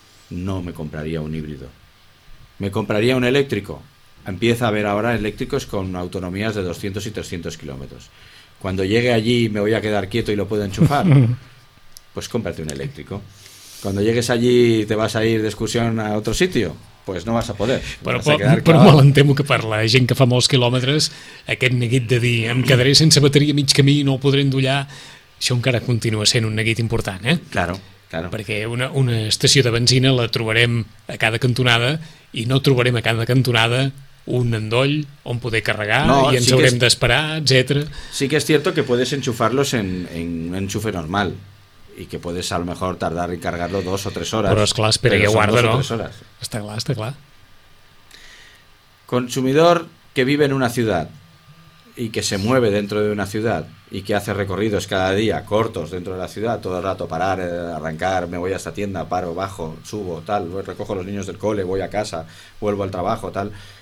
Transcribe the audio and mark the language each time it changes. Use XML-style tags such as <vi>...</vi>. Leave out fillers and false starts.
<es>No me compraría un híbrido. ¿Me compraría un eléctrico? Empieza a haber ahora eléctricos con autonomías de 200 y 300 kilómetros. ¿Cuando llegue allí me voy a quedar quieto y lo puedo enchufar? Pues cómprate un eléctrico. Cuando llegues allí te vas a ir de excursión a otro sitio, pues no vas a poder.</es> <ca>Però me l'entemo que per la gent que fa molts quilòmetres, aquest neguit de dir em quedaré sense bateria a mig camí i no ho podré endollar, això encara continua sent un neguit important, eh?</ca> <es>Claro, claro.</es> <ca>Perquè una estació de benzina la trobarem a cada cantonada i no trobarem a cada cantonada un endoll on poder carregar, no, i ens sí haurem d'esperar, etc.</ca> <es>Sí que és cierto que puedes enchufarlos en un enchufe normal. Y que puedes a lo mejor tardar en cargarlo dos o tres horas. Pero es claro, espera que guarde, ¿no? Está claro, está claro. Consumidor que vive en una ciudad y que se mueve dentro de una ciudad y que hace recorridos cada día cortos dentro de la ciudad, todo el rato parar, arrancar, me voy a esta tienda, paro, bajo, subo, tal, recojo a los niños del cole, voy a casa, vuelvo al trabajo, tal.</es>